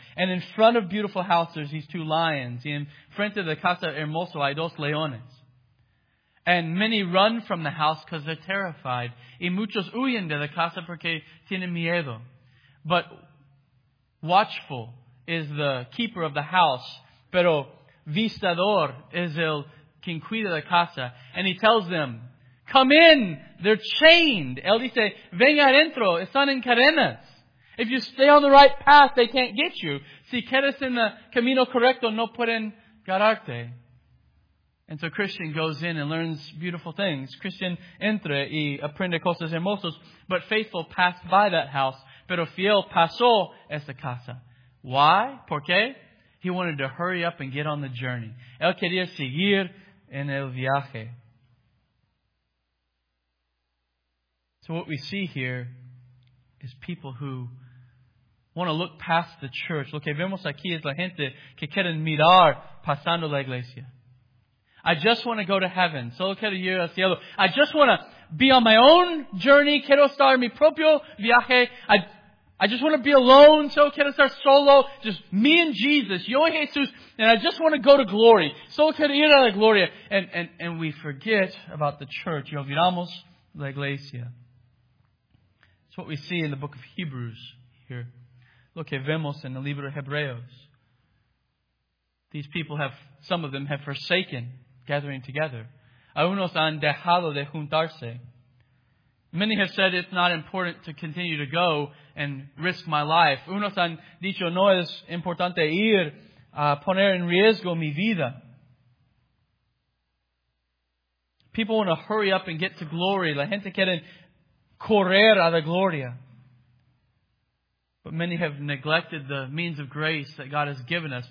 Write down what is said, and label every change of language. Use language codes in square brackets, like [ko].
[en] And in front of beautiful house, there's these two lions. [es] Y en frente de la casa hermoso hay dos leones. [en] And many run from the house because they're terrified. [es] Y muchos huyen de la casa porque tienen miedo. [en] But watchful is the keeper of the house, [es] pero vistador es el quien cuida la casa. [en] And he tells them, come in, they're chained. [es] Él dice, venga adentro, están en cadenas. [en] If you stay on the right path, they can't get you. [es] Si quedas en el camino correcto, no pueden agarrarte. [en] And so Christian goes in and learns beautiful things. [es] Christian entra y aprende cosas hermosas, [en] but faithful passed by that house, [es] pero fiel pasó esa casa. Why? ¿Por qué? [en] He wanted to hurry up and get on the journey. [es] Él quería seguir en el viaje. [en] So what we see here is people who want to look past the church. [es] Lo que vemos aquí es la gente que quieren mirar pasando la iglesia. [en] I just want to go to heaven. [es] Solo quiero ir al cielo. [en] I just want to be on my own journey. [es] Quiero estar en mi propio viaje. [en] I just want to be alone, so [es] quiero estar solo, [en] just me and Jesus, [es] yo y Jesús, [en] and I just want to go to glory. [es] Solo quiero ir a la gloria. [en] And we forget about the church. [es] Y olvidamos la iglesia. [en] It's what we see in the book of Hebrews here. [es] Lo que vemos en el libro de Hebreos. [en] These people have, some of them have forsaken gathering together. [es] Algunos han dejado de juntarse. [en] Many have said it's not important to continue to go and risk my life. [es] Unos han dicho no es importante ir a poner en riesgo mi vida. [en] People want to hurry up and get to glory. [es] La gente quiere correr a la gloria. [en] But many have neglected the means of grace that God has given us.